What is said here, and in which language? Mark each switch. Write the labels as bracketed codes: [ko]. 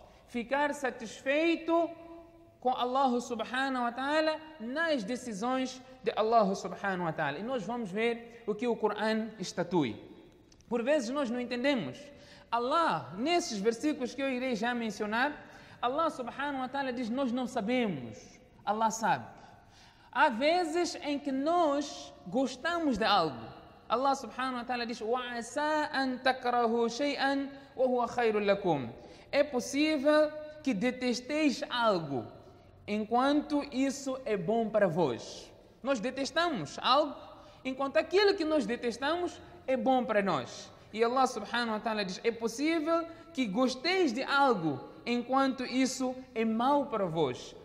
[pt] Ficar satisfeito com Allah subhanahu wa ta'ala nas decisões de Allah subhanahu wa ta'ala. E nós vamos ver o que o Coran estatui. Por vezes nós não entendemos. Allah, nesses versículos que eu irei já mencionar, Allah subhanahu wa ta'ala diz, nós não sabemos. Allah sabe. Há vezes em que nós gostamos de algo. Allah subhanahu wa ta'ala diz, [ar] وَعَسَىٰ أَن تَكْرَهُ شَيْئًا وَهُوَ خَيْرٌ لَكُمْ. [pt] É possível que detesteis algo, enquanto isso é bom para vós. Nós detestamos algo, enquanto aquilo que nós detestamos é bom para nós. E Allah subhanahu wa ta'ala diz, é possível que gosteis de algo, enquanto isso é mau para vós.